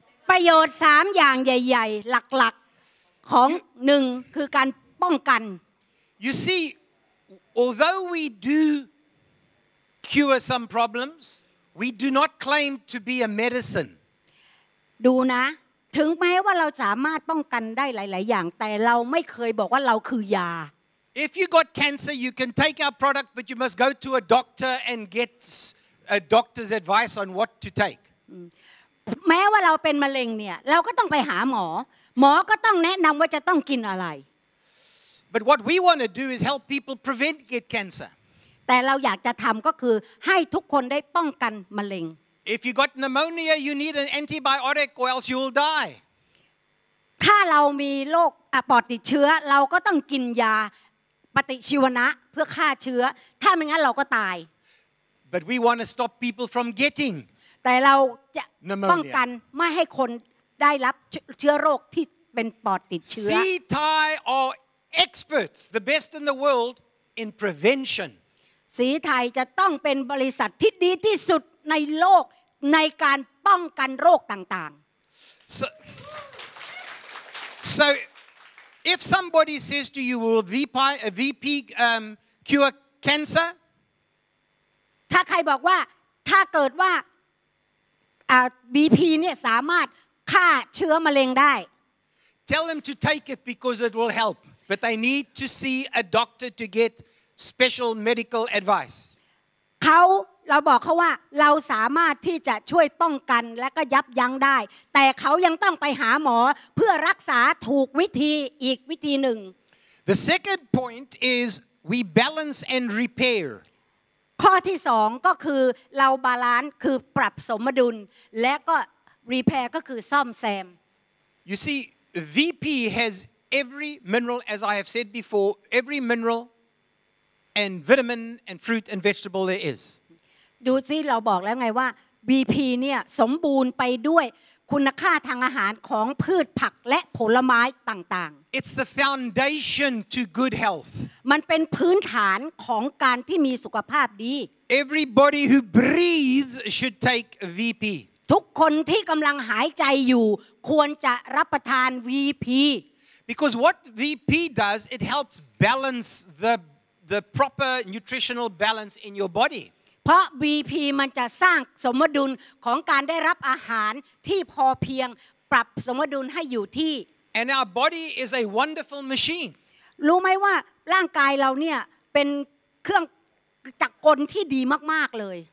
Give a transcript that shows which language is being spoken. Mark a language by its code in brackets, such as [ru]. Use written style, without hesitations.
[th] ประโยชน์3อย่างใหญ่ๆหลักๆของ1คือการป้องกัน [en] You see, although we do cure some problems, we do not claim to be a medicine. [th] ดูนะถึงแม้ว่าเราสามารถป้องกันได้หลายๆอย่างแต่เราไม่เคยบอกว่าเราคือยา [en] If you got cancer you can take our product but you must go to a doctor and get a doctor's advice on what to take [th] แม้ว่าเราเป็นมะเร็งเนี่ยเราก็ต้องไปหาหมอก็ต้องแนะนําว่าจะต้องกินอะไร [en] But what we want to do is help people prevent get cancer [th] แต่เราอยากจะทําก็คือให้ทุกคนได้ป้องกันมะเร็ง [en] If you got pneumonia you need an antibiotic or else you'll die. [th] ถ้าเรามีโรคปอดติดเชื้อเราก็ต้องกินยาปฏิชีวนะเพื่อฆ่าเชื้อถ้าไม่งั้นเราก็ตาย [en] But we want to stop people from getting. [th] แต่เราจะป้องกันไม่ให้คนได้รับเชื้อโรคที่เป็นปอดติดเชื้อ [en] See Thai are experts the best in the world in prevention. [th] ศรีไทยจะต้องเป็นบริษัทที่ดีที่สุดในโลกในการป้องกันโรคต่าง [en] ๆ so if somebody says to you will VP cure cancer [th] ถ้าใครบอกว่าถ้าเกิดว่า VP เนี่ยสามารถฆ่าเชื้อมะเร็งได้ [en] tell them to take it because it will help but they need to see a doctor to get special medical advice [th] เขาเราบอกเขาว่าเราสามารถที่จะช่วยป้องกันและก็ยับยั้งได้แต่เขายังต้องไปหาหมอเพื่อรักษาถูกวิธีอีกวิธีหนึ่ง [en] The second point is we balance and repair [th] ข้อที่สองก็คือเราบาลานซ์คือปรับสมดุลและก็ repair ก็คือซ่อมแซม [en] You see VP has every mineral as I have said before every mineral and vitamin and fruit and vegetable there is [th] ดูสิเราบอกแล้วไงว่า BP เนี่ยสมบูรณ์ไปด้วยคุณค่าทางอาหารของพืชผักและผลไม้ต่าง [en] ๆ It's the foundation to good health [th] มันเป็นพื้นฐานของการที่มีสุขภาพดี [en] Everybody who breathes should take VP [th] ทุกคนที่กำลังหายใจอยู่ควรจะรับประทาน VP [en] Because what VP does it helps balance the proper nutritional balance in your body [th] พราะ BP มันจะสร้างสมดุลของการได้รับอาหารที่พอเพียงปรับสมดุลให้อยู่ที่ [en] And our body is a wonderful machine [th] รู้ไหมว่าร่างกายเราเนี่ยเป็นเครื่องจักรกลที่ดีมากๆเลย